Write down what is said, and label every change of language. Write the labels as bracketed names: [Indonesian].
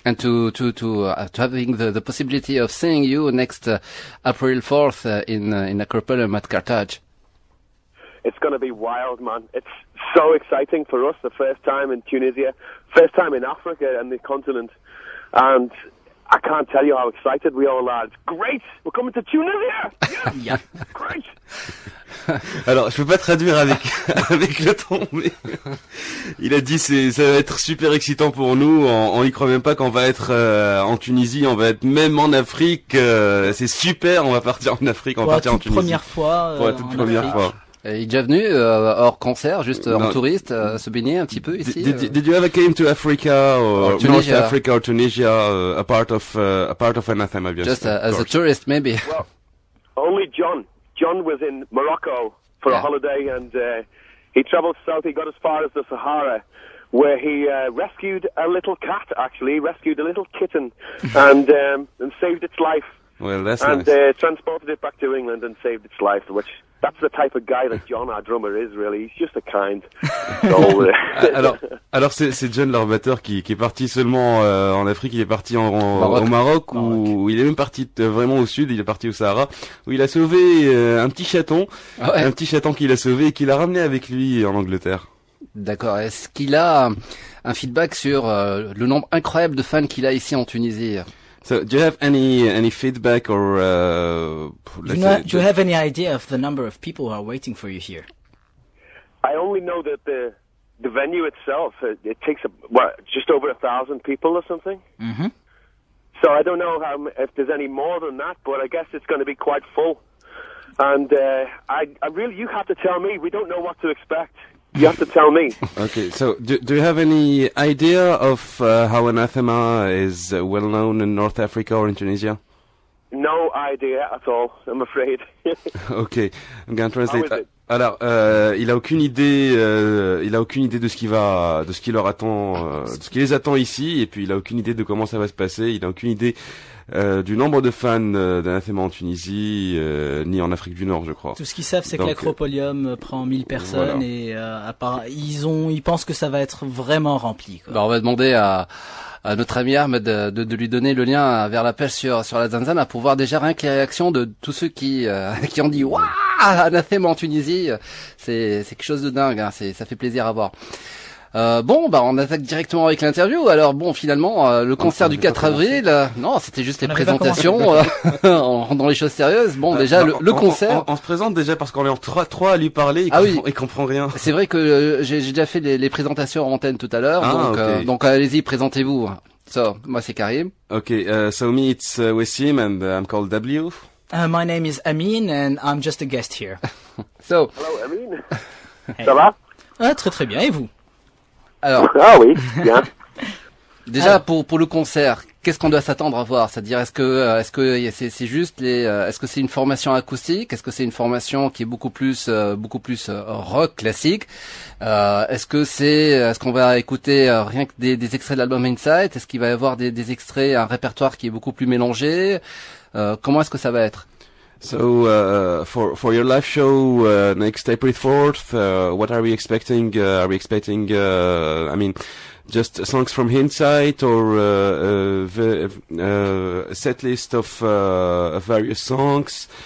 [English] and to having the possibility of seeing you next April 4th in Acropolium at Carthage. It's going to be wild, man. It's so exciting for us, the first time in Tunisia, first time in Africa and the continent. And I can't tell you how excited we all are. It's great. We're coming to Tunisia. Yeah. Great. [French] Alors, je peux pas traduire avec le ton, mais il a dit ça va être super excitant pour nous. On y croit même pas qu'on va être en Tunisie, on va être même en Afrique. C'est super, on va partir en Afrique, on va partir en Tunisie. Première fois, pour la toute première fois. Et il est déjà venu hors concert, juste en touriste, se baigner un petit peu ici. [English] Did you ever came to Africa or North Africa or Tunisia, a part of anathema, just as a tourist, maybe? Well, only John. John was in Morocco for a holiday, and he travelled south. He got as far as the Sahara, where he rescued a little cat. Actually, he rescued a little kitten, and saved its life. Well, that's nice. Transported it back to England and saved its life. Which that's the type of guy that John, our drummer, is. Really, he's just a kind soul. [French] alors c'est John, leur batteur, qui est parti seulement en Afrique. Il est parti au Maroc. Où il est même parti vraiment au sud. Il est parti au Sahara, où il a sauvé un petit chaton, un petit chaton qu'il a sauvé et qu'il a ramené avec lui en Angleterre. D'accord. Est-ce qu'il a un feedback sur le nombre incroyable de fans qu'il a ici en Tunisie? [English] So, do you have any feedback or? Do you have any idea of the number of people who are waiting for you here? I only know that the venue itself it takes just over 1,000 people or something. Mm-hmm. So I don't know if there's any more than that, but I guess it's going to be quite full. And I really, you have to tell me. We don't know what to expect. You have to tell me. Okay, so do you have any idea of how anathema is well known in North Africa or in Tunisia? No idea at all, I'm afraid. Okay, I'm going to translate. [French] Alors, il a aucune idée de ce qui les attend ici, et puis il a aucune idée de comment ça va se passer. Il a aucune idée du nombre de fans d'anathema en Tunisie, ni en Afrique du Nord, je crois. Tout ce qu'ils savent, c'est que l'Acropolium prend 1000 personnes, voilà. Et ils pensent que ça va être vraiment rempli, quoi. Bah, on va demander à notre ami Arme de lui donner le lien vers la page sur la Zanzana pour voir déjà rien que les réactions de tous ceux qui ont dit « Waouh, anathème en Tunisie !» C'est quelque chose de dingue, hein, ça fait plaisir à voir. On attaque directement avec l'interview. Alors bon, finalement, le concert du 4 avril, c'était juste les présentations, en rendant les choses sérieuses. Bon, déjà, le concert... On se présente déjà parce qu'on est en 3 à lui parler et qu'on prend rien. C'est vrai que j'ai déjà fait les présentations en antenne tout à l'heure, donc allez-y, présentez-vous. So, moi c'est Karim. [English] Ok, so me it's Wassim and I'm called W. My name is Amin and I'm just a guest here. So, hello Amin, hey. [French] Ça va? Très très bien, et vous? Alors, ah oui, bien. Déjà, pour le concert, qu'est-ce qu'on doit s'attendre à voir? C'est-à-dire, est-ce que c'est une formation acoustique? Est-ce que c'est une formation qui est beaucoup plus rock classique? Est-ce qu'on va écouter rien que des extraits de l'album Inside? Est-ce qu'il va y avoir des extraits, un répertoire qui est beaucoup plus mélangé? Comment est-ce que ça va être? [English] So for your live show next April 4th, what are we expecting? Are we expecting, I mean, just songs from Hindsight or a set list of various songs?